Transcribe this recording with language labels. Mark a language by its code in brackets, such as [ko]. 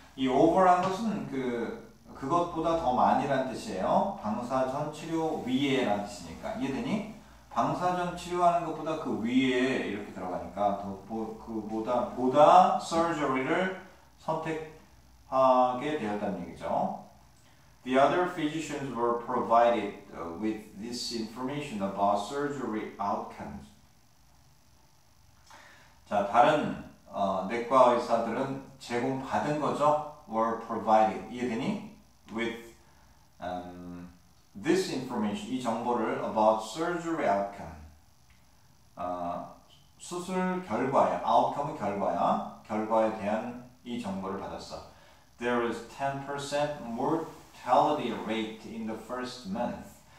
[ko] 이 over란 것은 그것보다 더 많이란 뜻이에요. 방사선 치료 위에란 뜻이니까. 이해되니? 방사선 치료하는 것보다 그 위에 이렇게 들어가니까, 보다 surgery를 선택하게 되었다는 얘기죠. [en] The other physicians were provided with this information about surgery outcomes. [ko] 자, 다른, 내과 의사들은 제공받은 거죠. [en] were provided. [ko] 이해되니? [en] with this information. [ko] 이 정보를 [en] about surgery outcome. [ko] 수술 결과야. outcome 결과야. 결과에 대한 이 정보를 받았어. [en] There is 10% mortality rate in the first month.